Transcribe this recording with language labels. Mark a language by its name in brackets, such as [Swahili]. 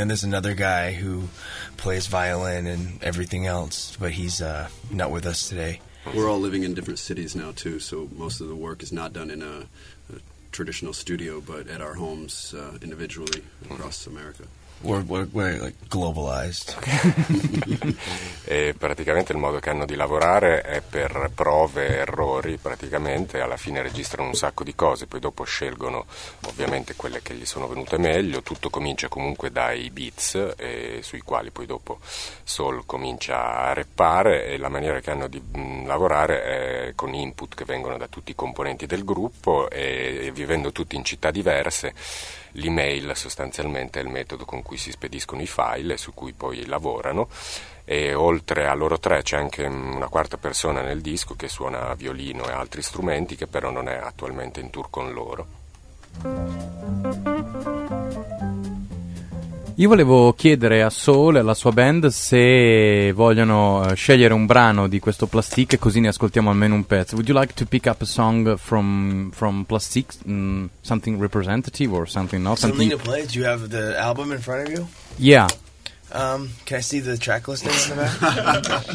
[English] And then there's another guy who plays violin and everything else, but he's not with us today. We're all living in different cities now, too, so most of the work is not done in a traditional studio, but at our homes individually across America. We're like globalized. [Italian] E praticamente il modo che hanno di lavorare è per prove e errori, praticamente alla fine registrano un sacco di cose, poi dopo scelgono ovviamente quelle che gli sono venute meglio. Tutto comincia comunque dai beats e sui quali poi dopo Soul comincia a rappare, e la maniera che hanno di lavorare è con input che vengono da tutti i componenti del gruppo, e vivendo tutti in città diverse, l'email sostanzialmente è il metodo con cui si spediscono i file e su cui poi lavorano. E oltre a loro tre c'è anche una quarta persona nel disco che suona violino e altri strumenti, che però non è attualmente in tour con loro. Io volevo chiedere a Soul e alla sua band se vogliono scegliere un brano di questo Plastic, e così ne ascoltiamo almeno un pezzo. [English] Would you like to pick up a song from Plastic? Something representative or something else? Something to play? Do you have the album in front of you? Yeah. Can I see the track listing in the back?